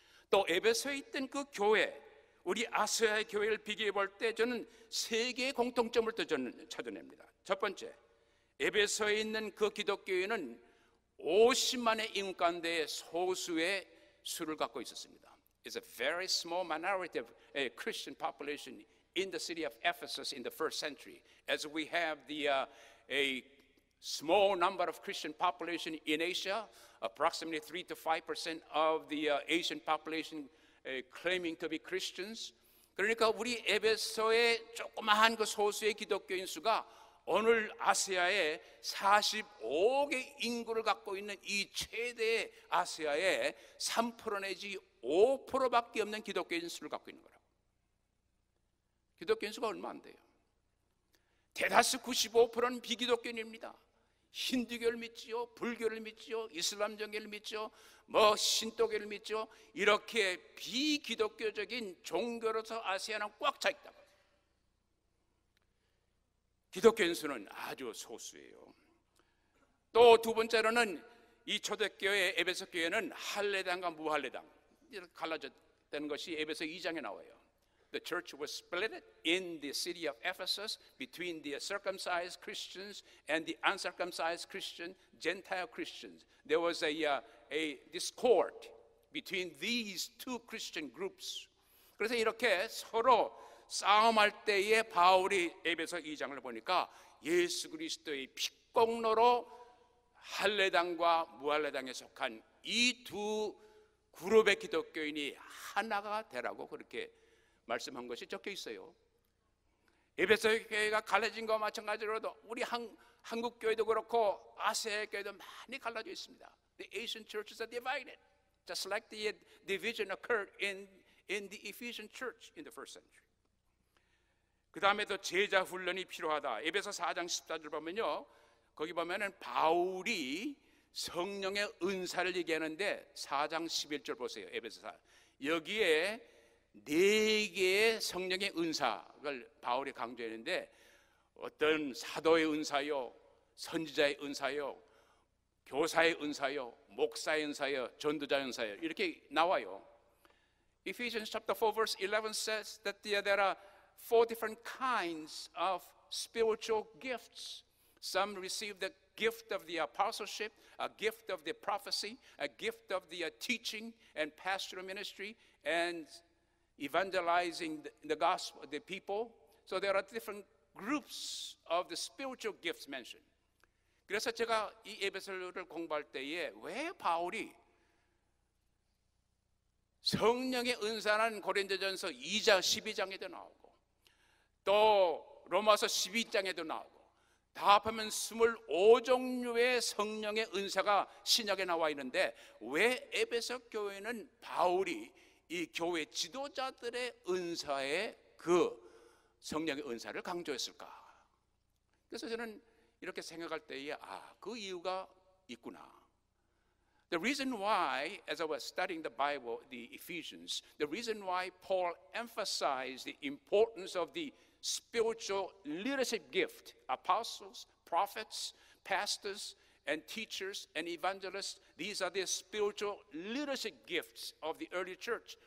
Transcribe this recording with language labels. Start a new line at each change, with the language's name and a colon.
Korean: 또 에베소에 있던 그 교회, 우리 아시아의 교회를 비교해 볼 때 저는 세 개의 공통점을 찾아냅니다. 첫 번째, 에베소에 있는 그 기독교회는 50만의 인구 가운데 소수의 수를 갖고 있었습니다.
English: It's a very small minority of a Christian population in the city of Ephesus in the first century, as we have a small number of Christian population in Asia, approximately 3-5% of the Asian population claiming to be Christians.
Korean: 그러니까 우리 에베소의 조그마한 그 소수의 기독교인 수가 오늘 아시아의 45억의 인구를 갖고 있는 이 최대의 아시아의 3% 내지 5%밖에 없는 기독교인 수를 갖고 있는 거라고. 기독교인 수가 얼마 안 돼요. 대다수 95%는 비기독교인입니다. 힌두교를 믿지요, 불교를 믿지요, 이슬람 종교를 믿지요, 뭐 신도교를 믿지요. 이렇게 비기독교적인 종교로서 아시아는 꽉 차 있다. 기독교인 수는 아주 소수예요. 또 두 번째로는 이 초대교회 에베소 교회는 할례당과 무할례당 이렇게 갈라졌던 것이 에베소 2장에 나와요.
English: The church was split in the city of Ephesus between the circumcised Christians and the uncircumcised Christian, Gentile Christians. There was a discord between these two Christian groups.
Korean: 그래서 이렇게 서로 싸움할 때에 바울이 에베소 2장을 보니까 예수 그리스도의 핍곡로 할례당과 무할례당에 속한 이 두 그룹의 기독교인이 하나가 되라고 그렇게 말씀한 것이 적혀 있어요. 에베소 교회가 갈라진 것과 마찬가지로도 우리 한국 교회도 그렇고 아세아 교회도 많이 갈라져 있습니다.
English: The Asian churches are divided, just like the division occurred in the Ephesian church in the first century.
Korean: 그 다음에도 제자 훈련이 필요하다. 에베소 4장 14절 보면요, 거기 보면은 바울이 성령의 은사를 얘기하는데 4장 11절 보세요. 에베소 4. 여기에 네 개의 성령의 은사를 바울이 강조했는데 어떤 사도의 은사요, 선지자의 은사요, 교사의 은사요, 목사의 은사요, 전도자의 은사요 이렇게 나와요.
English: Ephesians chapter 4 verse 11 says that there are four different kinds of spiritual gifts. Some receive the gift of the apostleship, a gift of the prophecy, a gift of the teaching and pastoral ministry, and evangelizing the gospel, the people. So there are different groups of the spiritual gifts mentioned.
Korean: 그래서 제가 이 에베소서를 공부할 때에 왜 바울이 성령의 은사는 고린도전서 2장 12장에도 나오고 또 로마서 12장에도 나오고 다 합하면 25종류의 성령의 은사가 신약에 나와 있는데 왜 에베소 교회는 바울이 이 교회 지도자들의 은사에 그 성령의 은사를 강조했을까? 그래서 저는 이렇게 생각할 때에 아, 그 이유가 있구나.
English: The reason why, as I was studying the Bible, the Ephesians, the reason why Paul emphasized the importance of the spiritual leadership gift, apostles, prophets, pastors, and teachers and evangelists, these are the spiritual leadership gifts of the early church.